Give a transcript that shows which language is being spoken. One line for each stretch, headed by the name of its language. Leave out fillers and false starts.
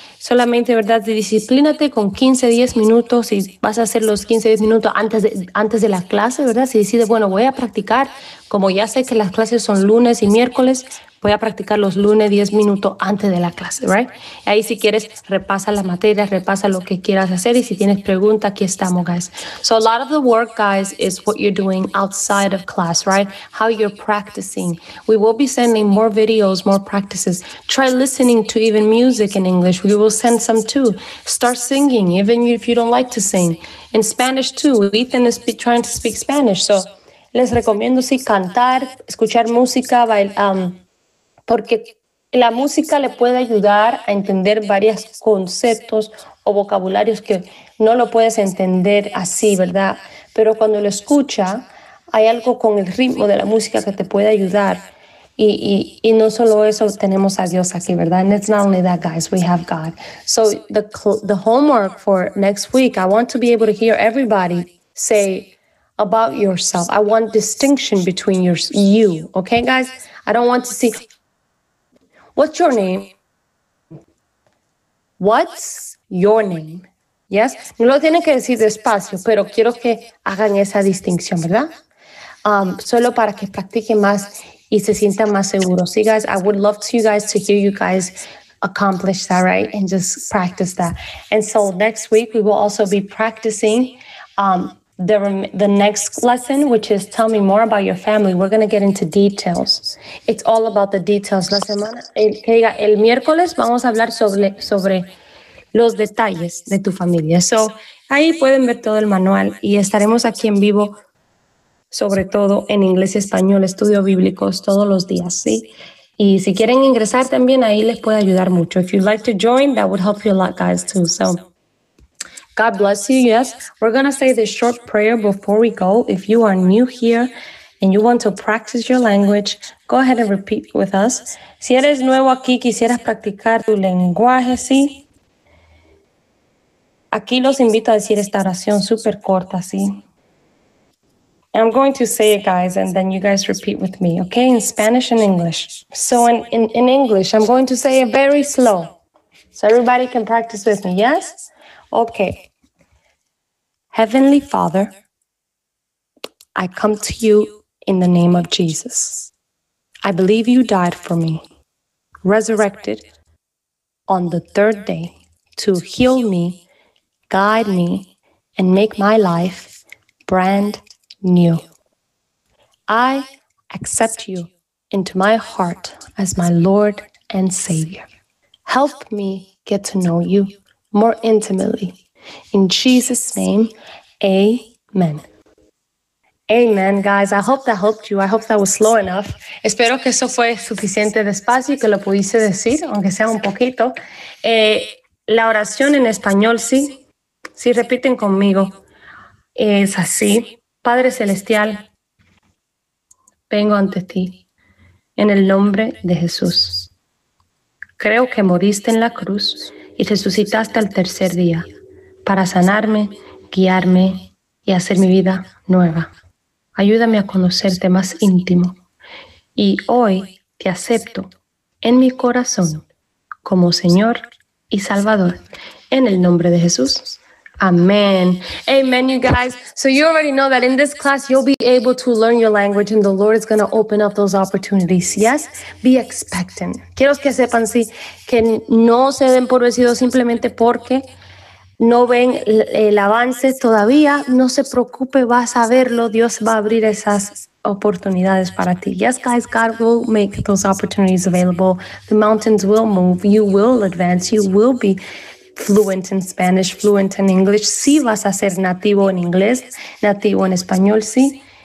Spanish: Solamente, ¿verdad?, disciplínate con 15, 10 minutos y vas a hacer los 15, 10 minutos antes de la clase, ¿verdad? Si decides, bueno, voy a practicar, como ya sé que las clases son lunes y miércoles, voy a practicar los lunes 10 minutos antes de la clase, ¿right? Ahí si quieres, repasa la materia, repasa lo que quieras hacer y si tienes pregunta, aquí estamos, guys.
English: So a lot of the work, guys, is what you're doing outside of class, right? How you're practicing. We will be sending more videos, more practices. Try listening to even music in English. We will send some too. Start singing, even if you don't like to sing. In Spanish too, Ethan is trying to speak Spanish.
Spanish: So les recomiendo, sí, cantar, escuchar música, bailar, porque la música le puede ayudar a entender varios conceptos o vocabularios que no lo puedes entender así, ¿verdad? Pero cuando lo escucha, hay algo con el ritmo de la música que te puede ayudar. Y no solo eso, tenemos a Dios aquí, ¿verdad?
English: And it's not only that, guys, we have God. So the homework for next week, I want to be able to hear everybody say about yourself. I want distinction between you, okay, guys? I don't want to see... What's your name? What's your name? Yes?
Spanish: No lo tienen que decir despacio, pero quiero que hagan esa distinción, ¿verdad? Solo para que practiquen más y se sientan más seguros.
English: See, guys, I would love to you guys to hear you guys accomplish that, right? And just practice that. And so next week, we will also be practicing the next lesson, which is tell me more about your family. We're going to get into details. It's all about the details.
Spanish: La semana, que diga, el miércoles vamos a hablar sobre los detalles de tu familia. So, ahí pueden ver todo el manual y estaremos aquí en vivo, sobre todo en inglés y español, estudio bíblicos todos los días, ¿sí? Y si quieren ingresar también, ahí les puede ayudar mucho.
English: If you'd like to join, that would help you a lot, guys, too. So, God bless you, yes. We're going to say this short prayer before we go. If you are new here and you want to practice your language, go ahead and repeat with us.
Spanish: Si eres nuevo aquí, quisieras practicar tu lenguaje, ¿sí? Aquí los invito a decir esta oración súper corta, ¿sí?
English: I'm going to say it, guys, and then you guys repeat with me, okay? In Spanish and English. So in English, I'm going to say it very slow so everybody can practice with me, yes? Okay. Heavenly Father, I come to you in the name of Jesus. I believe you died for me, resurrected on the third day to heal me, guide me, and make my life brand new. I accept you into my heart as my Lord and Savior. Help me get to know you more intimately. In Jesus' name, amen. Amen, guys. I hope that helped you. I hope that was slow enough.
Spanish: Espero que eso fue suficiente despacio y que lo pudiese decir, aunque sea un poquito. La oración en español, sí. Sí, repiten conmigo. Es así. Padre Celestial, vengo ante ti en el nombre de Jesús. Creo que moriste en la cruz y resucitaste al tercer día para sanarme, guiarme y hacer mi vida nueva. Ayúdame a conocerte más íntimo y hoy te acepto en mi corazón como Señor y Salvador. En el nombre de Jesús. Amen. Amen, you guys.
English: So you already know that in this class, you'll be able to learn your language and the Lord is going to open up those opportunities. Yes, be expectant.
Spanish: Quiero que sepan, sí, que no se den por vencidos simplemente porque no ven el avance todavía. No se preocupe, vas a verlo. Dios va a abrir esas oportunidades para ti.
English: Yes, guys, God will make those opportunities available. The mountains will move. You will advance. You will be fluent in Spanish, fluent in English.
Spanish: Sí, vas a ser nativo en inglés, nativo en español, sí.